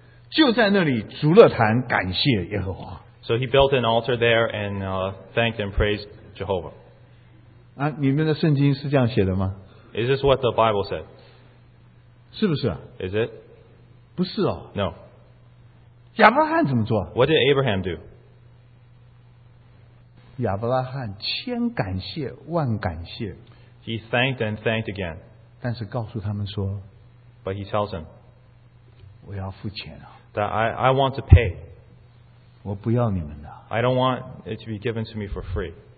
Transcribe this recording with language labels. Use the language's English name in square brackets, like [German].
[Chinese] 就在那里筑了坛，感谢耶和华。 [English] So he built an altar there and thanked and praised Jehovah. [Chinese] 啊，你们的圣经是这样写的吗？ [English] Is this what the Bible said? [Chinese] 是不是啊？ [English] Is it? [Chinese] 不是哦。 [English] No. [Chinese] 亚伯拉罕怎么做？ [English] What did Abraham do? [Chinese] 亚伯拉罕千感谢万感谢。 [English] He thanked and thanked again. [Chinese] 但是告诉他们说, [English] but he tells them, [Chinese] 我要付钱啊。 [English] That I want to pay. [Chinese] 我不要你们的。 [English] I don't want it to be given to me for free.